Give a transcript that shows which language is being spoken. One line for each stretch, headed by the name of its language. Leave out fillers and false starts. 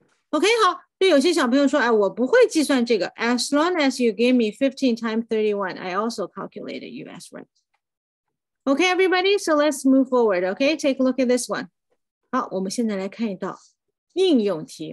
Chinese: OK, 好，对有些小朋友说，哎，我不会计算这个。
English: As long as you gave me 15 times 31, I also calculated you as right. OK, everybody, so let's move forward. OK, take a look at this one.
Chinese: 好，我们现在来看一道应用题。